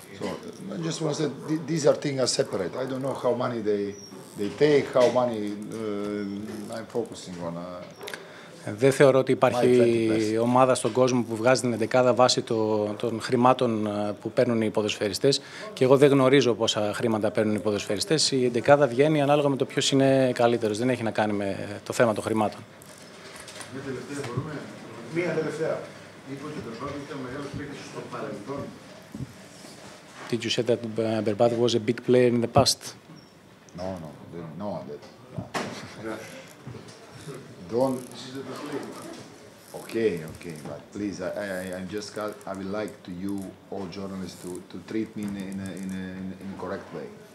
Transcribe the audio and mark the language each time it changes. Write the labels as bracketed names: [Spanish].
[English] So I just want to say these are things are separate. I don't know how many they take, how many I'm focusing on. [Greek] Δεν θεωρώ ότι υπάρχει ομάδα στον κόσμο που βγάζει την εντεκάδα βάσει των χρημάτων που παίρνουν οι ποδοσφαιριστές, και εγώ δεν γνωρίζω πόσα χρήματα παίρνουν οι ποδοσφαιριστές. Η εντεκάδα βγαίνει ανάλογα με το ποιος είναι καλύτερος. Δεν έχει να κάνει με το θέμα των χρημάτων. Μια τελευταία μπορούμε. Μια τελευταία. Είπε ότι το Μπάμπη ήταν μεγάλος παίκτης στο παρελθόν. [English] Did you say that Berbat was a big player in the past? No, didn't know that. No. This is a player. Okay, but please, I would like to you, all journalists, to treat me in a correct way.